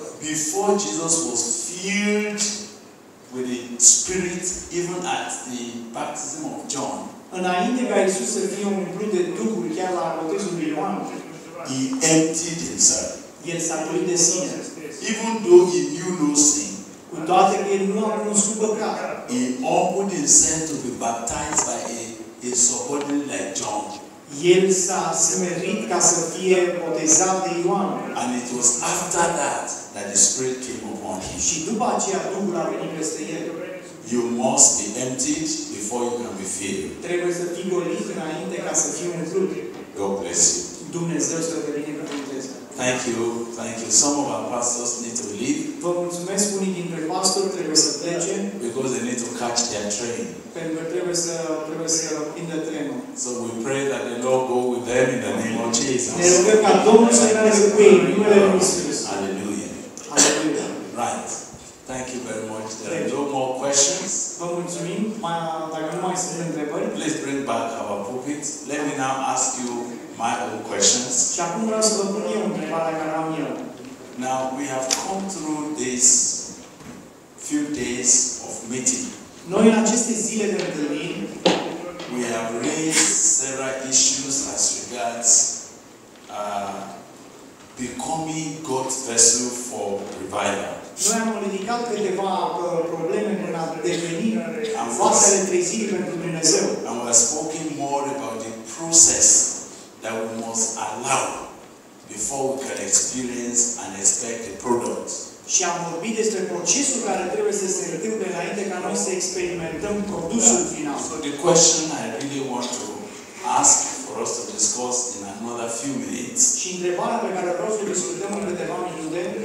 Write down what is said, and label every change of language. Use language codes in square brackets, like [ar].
[en] Before Jesus was filled with the Spirit, even at the baptism of John. [ro] Înainte ca Iisus să fie umplut de Duhul, chiar la botezul lui Ioan. [en] He emptied himself. [ro] El s-a plin de sine. [en] Even though he knew no sin. [ro] Cu toate că el nu a cunoscut păcat. [en] He offered himself to be baptized by a subordinate like John. [ro] El s-a smerit ca să fie botezat de Ioan. [en] And it was after that the Spirit came upon him. [ro] Și după aceea Duhul a venit peste el. [en] You must be emptied before you can be filled. [ro] Trebuie să fii golit înainte ca să fii umplut. [en] God bless you. [ro] Dumnezeu să te binecuvânteze. [en] Thank you. Some of our pastors need to leave. [ro] Vă mulțumesc, unii dintre pastori trebuie să plece. [en] Because they need to catch their train. [ro] Pentru că trebuie să prindă trenul. [en] So we pray that the Lord go with them in the name of Jesus. [ro] Ne rugăm ca Domnul să mergă cu ei, în numele lui Isus. [en] Hallelujah. [ro] Hallelujah. [en] Right. Thank you very much. There are no more questions. [ro] Vă mulțumim. Dacă nu mai sunt întrebări. [en] Please bring back our pulpit. Let me now ask you my own questions. [ro] Și acum vreau să vă pun eu întrebarea care am eu. [en] Now we have come through these few days of meeting. [ro] Noi în aceste zile de întâlniri, [en] we have raised several issues as regards becoming God's vessel for revival. [ro] Noi am ridicat câteva probleme în a deveni vasele trezite pentru Dumnezeu. [en] And we have spoken more about the process that we must allow before we can experience and expect the product. [ro] Și am vorbit despre procesul care trebuie să se întâmple înainte ca noi să experimentăm produsul final. [en] So the question I really want to ask for us to discuss in another few minutes. [ro] Și întrebarea pe care vreau să discutăm în câteva minute.